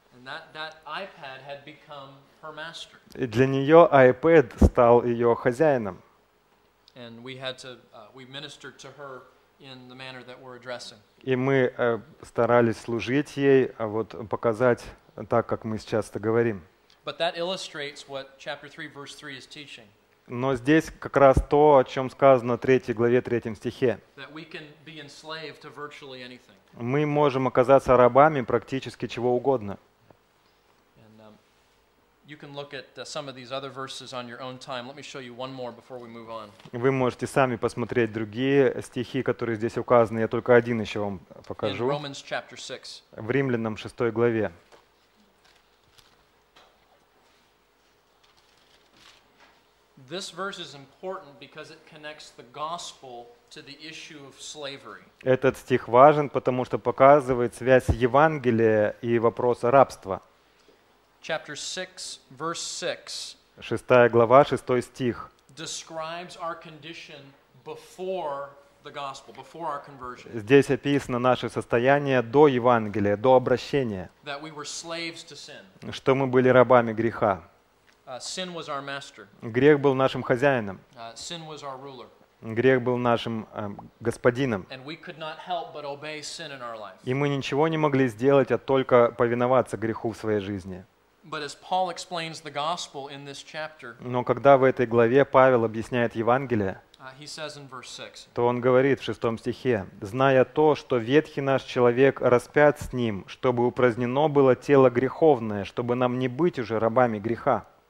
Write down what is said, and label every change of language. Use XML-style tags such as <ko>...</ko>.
<en>And that iPad had become her master.</en> <ru>И для нее iPad стал ее хозяином.</ru> <en>And we had to, we ministered to her in the manner that we're addressing.</en> <ru>И мы старались служить ей, вот показать так, как мы сейчас это говорим.</ru> <en>But that illustrates what chapter 3, verse 3 is teaching.</en> <ru>Но здесь как раз то, о чем сказано в 3 главе, 3 стихе.</ru> <en>That we can be enslaved to virtually anything.</en> <ru>Мы можем оказаться рабами практически чего угодно.</ru> <en>You can look at some of these other verses on your own time. Let me show you one more before we move on.</en> <ru>Вы можете сами посмотреть другие стихи, которые здесь указаны. Я только один еще вам покажу.</ru> <en>In Romans chapter 6.</en> <ru>В Римлянам 6 главе.</ru> <en>This verse is important because it connects the gospel to the issue of slavery.</en> <ru>Этот стих важен, потому что показывает связь Евангелия и вопроса рабства.</ru> <en>Chapter 6, verse 6.</en> <ru>Шестая глава, шестой стих.</ru> <en>Describes our condition before the gospel, before our conversion.</en> <ru>Здесь описано наше состояние до Евангелия, до обращения.</ru> <en>That we were slaves to sin.</en> <ru>Что мы были рабами греха.</ru> <en>Sin was our master.</en> <ru>Грех был нашим хозяином.</ru> <en>Sin was our ruler.</en> <ru>Грех был нашим господином.</ru> <en>And we could not help but obey sin in our life.</en> <ru>И мы ничего не могли сделать, а только повиноваться греху в своей жизни.</ru> <en>But as Paul explains the gospel in this chapter,</en> <ru>но когда в этой главе Павел объясняет Евангелие,</ru> <en>he says in verse 6,</en> <ru>то он говорит в 6 стихе, «Зная то, что ветхий наш человек распят с ним, чтобы упразднено было тело греховное, чтобы нам не быть уже рабами греха».</ru>